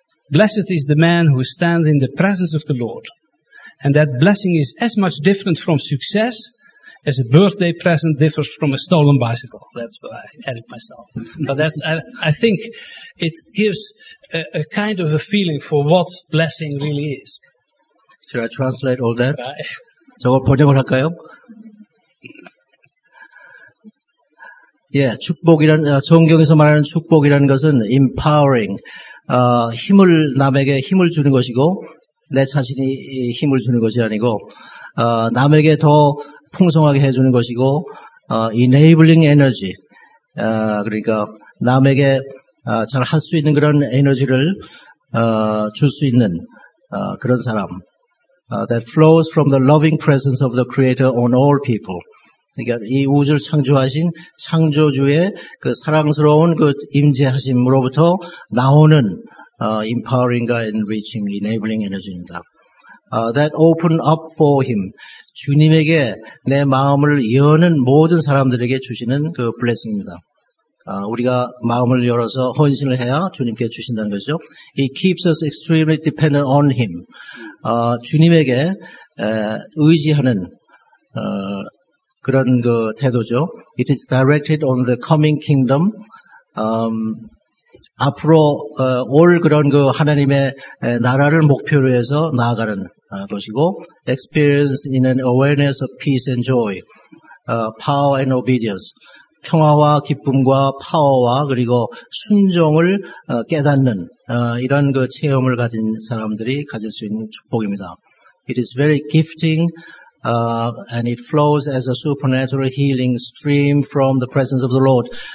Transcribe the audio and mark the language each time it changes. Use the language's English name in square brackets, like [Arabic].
[English] Blessed is the man who stands in the presence of the Lord. And that blessing is as much different from success as a birthday present differs from a stolen bicycle. That's what I added myself. But that's, I think it gives a kind of a feeling for what blessing really is. Should I translate all that? [Korean] 저거 번역을 할까요? 예, 축복이란, 성경에서 말하는 축복이라는 것은 empowering, 힘을, 남에게 힘을 주는 것이고, 내 자신이 힘을 주는 것이 아니고 남에게 더 풍성하게 해주는 것이고 enabling energy 그러니까 남에게 잘 할 수 있는 그런 에너지를 줄 수 있는 그런 사람 [English] that flows from the loving presence of the Creator on all people [Korean] 그러니까 이 우주를 창조하신 창조주의 그 사랑스러운 그 임재하심으로부터 나오는 [English] empowering, enriching, enabling energy [Korean] 입니다. [English] That open up for him. [Korean] 주님에게 내 마음을 여는 모든 사람들에게 주시는 그 blessing입니다. 우리가 마음을 열어서 헌신을 해야 주님께 주신다는 거죠. [English] He keeps us extremely dependent on him. [Korean] 주님에게 의지하는 그런 그 태도죠. [English] It is directed on the coming kingdom. [Korean] 앞으로 올 그런 그 하나님의 나라를 목표로 해서 나아가는 것이고 [English] experience in an awareness of peace and joy, power and obedience, [Korean] 평화와 기쁨과 파워와 그리고 순종을 깨닫는 이런 그 체험을 가진 사람들이 가질 수 있는 축복입니다. [English] It is very gifting. And it flows as a supernatural healing stream from the presence of the Lord.